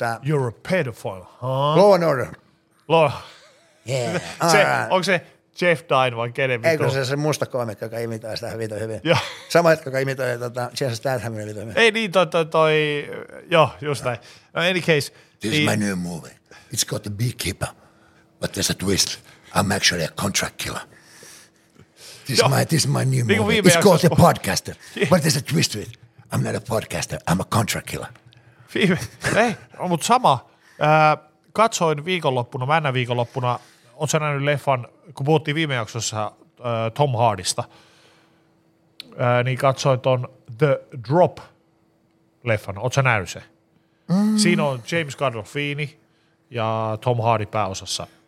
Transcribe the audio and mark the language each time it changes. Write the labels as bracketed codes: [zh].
[en] You're a pedophile, huh? Law and Order. Law. Yeah. [fi] Onko se Jeff Dine vai kenen vittu? Eikö se musta komikka, joka imitoi sitä vittu hyvin? Joo. Sama, joka imitoi Jason Stathamin vittu hyvin. Ei niin, toi joo, just näin. [en] No, any case. This is my new movie. It's got the beekeeper, but there's a twist. I'm actually a contract killer. This is my new movie. It's called the podcaster, but there's a twist with it. I'm not a podcaster, I'm a contract killer. [fi] Ei, mutta sama. Katsoin viikonloppuna, männä viikonloppuna, oot sä nähnyt leffan, kun puhuttiin viime jaksossa Tom Hardista, niin katsoin ton The Drop-leffan. Ootko sä nähnyt se? Siinä on James Gandolfini ja Tom Hardy pääosassa.